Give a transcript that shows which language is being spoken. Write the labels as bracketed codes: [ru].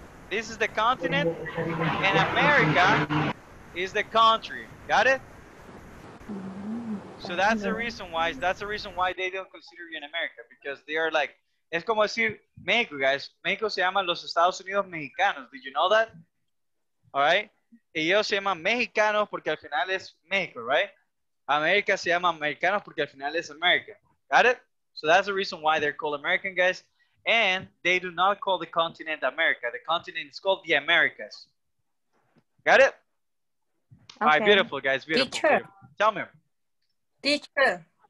[en] This is the continent, and America is the country. Got it? So, that's the reason why they don't consider you in America, because they are like, [es] es como decir, México, [en] guys. [es] México se llama los Estados Unidos Mexicanos. [en] Did you know that? All right? [es] Ellos se llaman Mexicanos porque al final es México, right? América se llama Americanos porque al final es América. [en] Got it? So that's the reason why they're called American, guys. And they do not call the continent America. The continent is called the Americas. Got it? Okay. All right, beautiful, guys. Beautiful. Teacher. Tell me. Teacher.